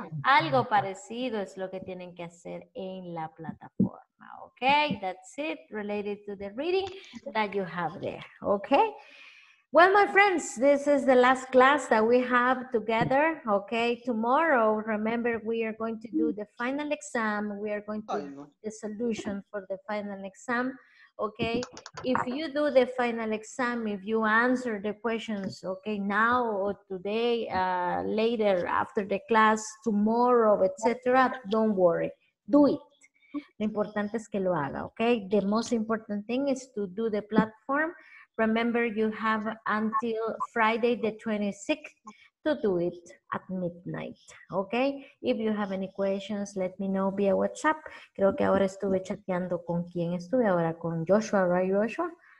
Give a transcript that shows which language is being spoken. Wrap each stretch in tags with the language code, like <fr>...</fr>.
<es>Algo parecido es lo que tienen que hacer en la plataforma.</es> <en>Okay, that's it related to the reading that you have there. Okay, well, my friends, this is the last class that we have together. Okay, tomorrow, remember, we are going to do the final exam. We are going to do the solution for the final exam. Okay, if you do the final exam, if you answer the questions, okay, now or today, later after the class, tomorrow, etc., don't worry, do it.</en> <es>Lo importante es que lo haga,</es> <en>okay? The most important thing is to do the platform. Remember, you have until Friday the 26th to do it at midnight, okay? If you have any questions, let me know via WhatsApp.</en> <es>Creo que ahora estuve chateando con quién estuve ahora, con Joshua, right, Joshua?</es>